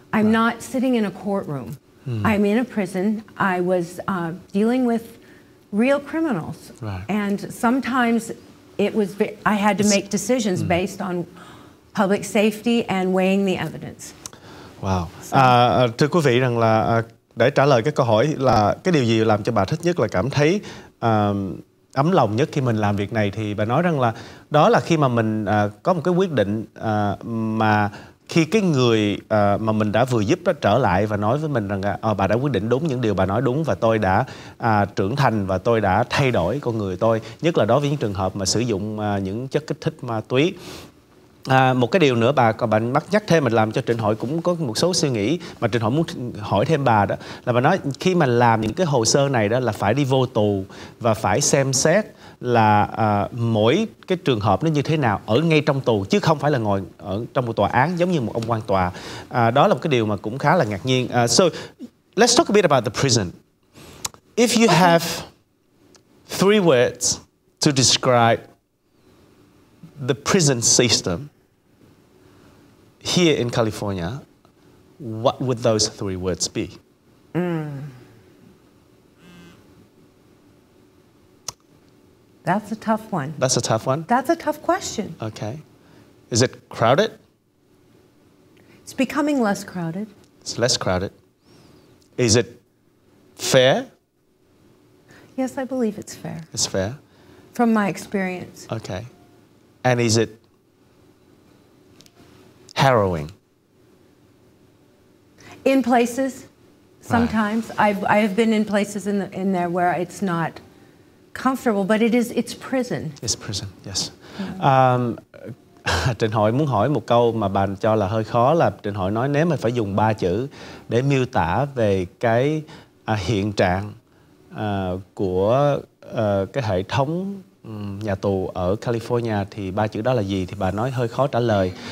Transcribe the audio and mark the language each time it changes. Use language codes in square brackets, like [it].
[en] I'm right. not sitting in a courtroom. Hmm. I'm in a prison. I was dealing with real criminals. Right. And sometimes I had to make decisions based on public safety and weighing the evidence. Wow. So. [vi] Thưa quý vị, rằng là để trả lời cái câu hỏi là cái điều gì làm cho bà thích nhất, là cảm thấy ấm lòng nhất khi mình làm việc này, thì bà nói rằng là đó là khi mà mình có một cái quyết định mà khi cái người mà mình đã vừa giúp đó trở lại và nói với mình rằng bà đã quyết định đúng, những điều bà nói đúng, và tôi đã trưởng thành và tôi đã thay đổi con người tôi, nhất là đối với những trường hợp mà sử dụng những chất kích thích ma túy. Một cái điều nữa bà mắc nhắc thêm, mình làm cho Trịnh Hội cũng có một số suy nghĩ mà Trịnh Hội muốn hỏi thêm bà, đó là bà nói khi mà làm những cái hồ sơ này đó là phải đi vô tù và phải xem xét là mỗi cái trường hợp nó như thế nào ở ngay trong tù, chứ không phải là ngồi ở trong một tòa án giống như một ông quan tòa. Đó là một cái điều mà cũng khá là ngạc nhiên. [en] So let's talk a bit about the prison. If you have three words to describe the prison system here in California, what would those three words be? That's a tough one. That's a tough one? That's a tough question. Okay. Is it crowded? It's becoming less crowded. It's less crowded. Is it fair? Yes, I believe it's fair. It's fair? From my experience. Okay. And is it harrowing? In places, sometimes. Right. I have been in places in there where it's not comfortable, but it is, it's prison. It's prison, yes. [vi] Trịnh Hội muốn hỏi một câu mà bà cho là hơi khó, là Trịnh Hội nói nếu mà phải dùng ba chữ để miêu tả về cái hiện trạng của cái hệ thống nhà tù ở California thì ba chữ đó là gì, thì bà nói hơi khó trả lời.